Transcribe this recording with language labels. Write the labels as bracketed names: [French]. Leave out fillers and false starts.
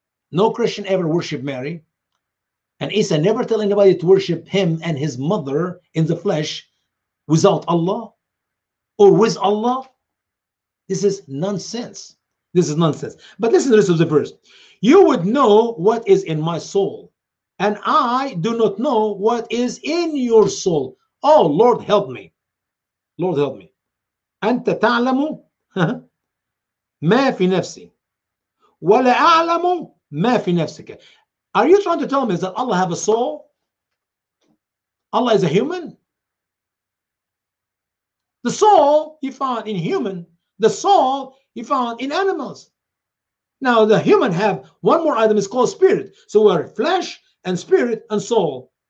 [English] No Christian ever worshiped Mary. And Isa never tell anybody to worship him and his mother in the flesh without Allah or with Allah. This is nonsense. This is nonsense. But listen to the rest of the verse. You would know what is in my soul, and I do not know what is in your soul. Oh, Lord, help me. Lord, help me. [Arabic] أنت تعلم ما في نفسي ولا أعلم ما في نفسك. [English] Are you trying to tell me that Allah have a soul? Allah is a human? The soul he found in human. The soul he found in animals. Now the human have one more item. It's called spirit. So we are flesh and spirit and soul.